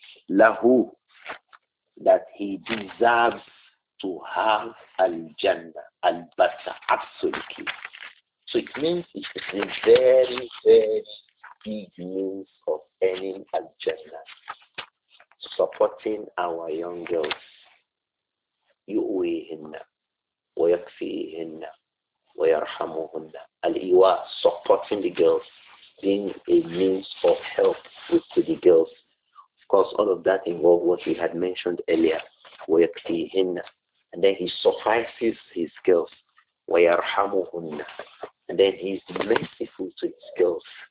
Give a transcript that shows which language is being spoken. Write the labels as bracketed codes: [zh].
[en] Lahu, that he deserves to have al-jannah, al-bata, absolutely. So it means it's a very, very big means of earning al-jannah, supporting our young girls. [ar] يؤويهن ويكفيهن ويرحمهن. [en] الإيواء, supporting the girls, being a means of help to the girls. Of course, all of that involves what we had mentioned earlier. ويكفيهن, and then he suffices his girls. ويرحمهن, and then he is merciful to his girls.